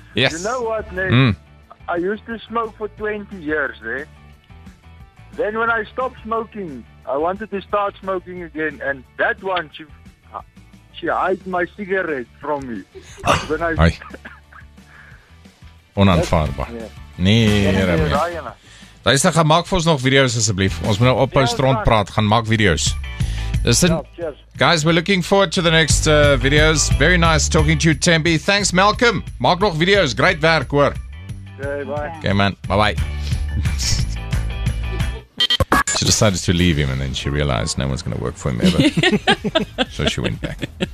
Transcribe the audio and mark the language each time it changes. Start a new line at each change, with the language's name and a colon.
English: yes. You know what, man? I used to smoke for 20 years. Eh? Then when I stopped smoking, I wanted to start smoking again. And that one, she hid my cigarette from me. When I Ay. Onaanvaardbaar.
Afrikaans: Nee, luister, gaan maak vir ons nog video's asseblief. Ons moet nou ophou stront praat, gaan maak video's.
English: Listen, guys, we're looking forward to the next videos. Very nice talking to you, Tembi. Thanks, Malcolm.
Afrikaans: Maak nog video's, great werk, hoor.
English: Okay, bye. Okay, man, bye-bye. She decided to leave him, and then she realized no one's going to work for him ever. So she went back.